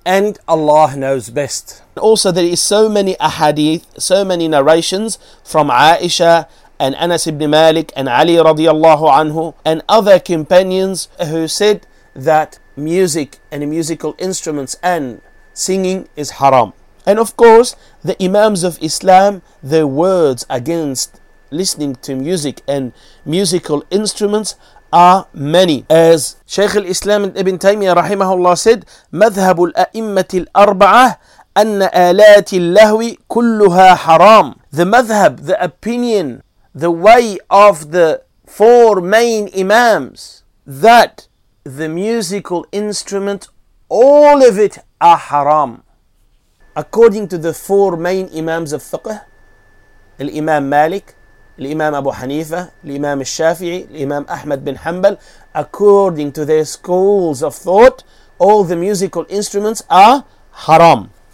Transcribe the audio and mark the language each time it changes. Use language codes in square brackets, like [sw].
[en] And Allah knows best. Also, there is so many ahadith, so many narrations from Aisha and Anas ibn Malik and Ali radiallahu anhu and other companions who said that music and musical instruments and singing is haram. And of course, the Imams of Islam, their words against listening to music and musical instruments are many. As Shaykh al-Islam ibn Taymiyyah rahimahullah said, [ar] مذهب الأئمة الأربعة أن آلات اللهو كلها حرام. [en] The madhab, the opinion, the way of the four main Imams, that the musical instrument, all of it are haram. According to the four main Imams of Fiqh, Imam Malik, Imam Abu Hanifa, Imam Shafi'i, Imam Ahmad bin Hanbal, according to their schools of thought, all the musical instruments are haram.